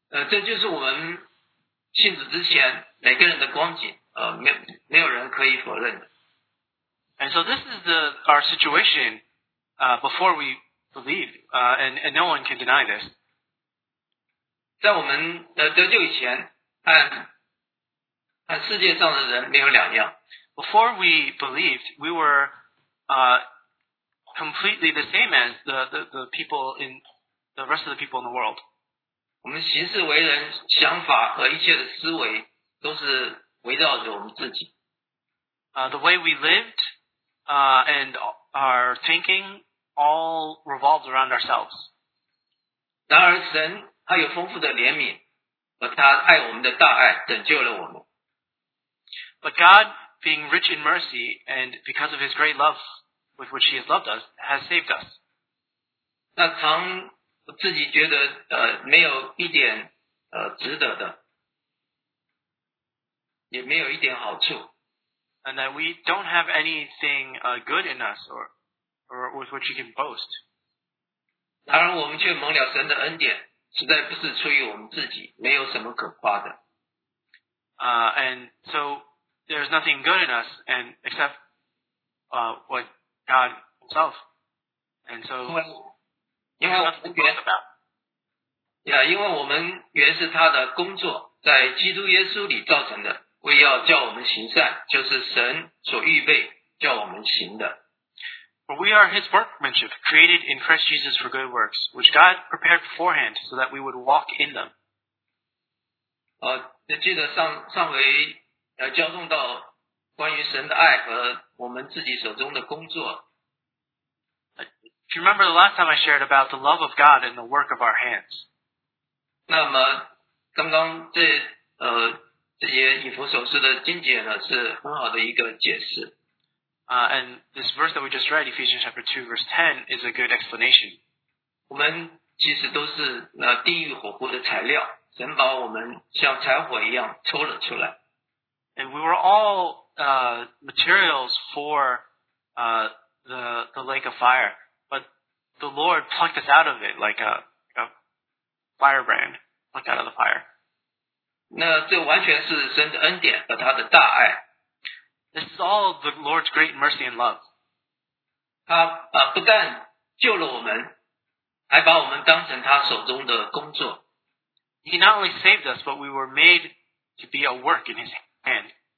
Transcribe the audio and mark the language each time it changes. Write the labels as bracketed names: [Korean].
[Chinese] 这就是我们信主之前每个人的光景，没有人可以否认的。 [English] And so this is our situation before we believe, and no one can deny this. [Chinese] 在我们得救以前，和世界上的人没有两样。 [English] Before we believed, we were completely the same as the people in the rest of the people in the world. [Chinese] 我们行事为人、想法和一切的思维都是围绕着我们自己。 [English] The way we lived and our thinking all revolved around ourselves. [Chinese] 然而神他有丰富的怜悯，和他爱我们的大爱拯救了我们。 [English] But God, being rich in mercy, and because of his great love with which he has loved us, has saved us. [Chinese] 那常自己觉得没有一点值得的，也没有一点好处。 [English] And that we don't have anything good in us or with which we can boast. [Chinese] 当然我们却蒙了神的恩典，实在不是出于我们自己，没有什么可夸的。 [English] And so there's nothing good in us and except what God himself. And so, [Chinese] 因为我们原是他的工作，在基督耶稣里造成的，为要叫我们行善，就是神所预备叫我们行的。 [English] For we are his workmanship, created in Christ Jesus for good works, which God prepared beforehand so that we would walk in them. [Chinese] 记得上回交通到关于神的爱和我们自己手中的工作。 [English] If you remember the last time I shared about the love of God and the work of our hands. [Chinese] 那么刚刚这些以弗所书的经节呢是很好的一个解释。 [English] And this verse that we just read, Ephesians chapter 2 verse 10 is a good explanation. [Chinese] 我们其实都是地狱火湖的材料，神把我们像柴火一样抽了出来。 [English] And we were all materials for the lake of fire, but the Lord plucked us out of it like a firebrand plucked out of the fire. [Chinese] 那这完全是神的恩典和他的大爱。 [English] This is all the Lord's great mercy and love. [Chinese] 他不但救了我们，还把我们当成他手中的工作。 [English] He not only saved us, but we were made to be a work in His hand.